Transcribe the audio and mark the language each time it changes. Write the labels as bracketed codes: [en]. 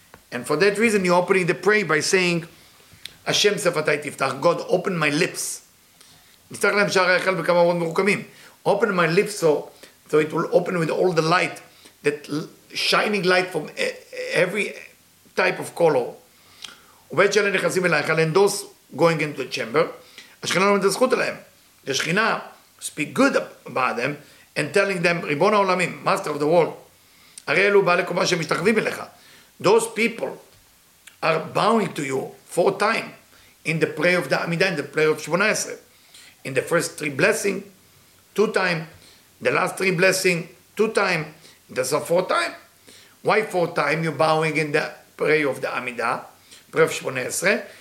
[en] And for that reason, you're opening the prayer by saying, Hashem Sefatai Tiftach, God, open my lips. Open my lips so it will open with all the light, that shining light from every type of color. [he] ובית שאלה נכנסים אלייך, אלן דוס, [en] going into the chamber, [he] השכינה לא מתזכות אליהם. [en] השכינה, speak good about them, and telling them, [he] ריבון העולמים, [en] master of the world, [he] הרי אלו בעלי קומה שמשתחווים אליך. [en] Those people are bowing to you four times in the prayer of the Amidah, in the prayer of 18. In the first three blessings, two times, the last three blessings, two times, that's a four time. Why four times you're bowing in the prayer of the Amidah, prayer of 18?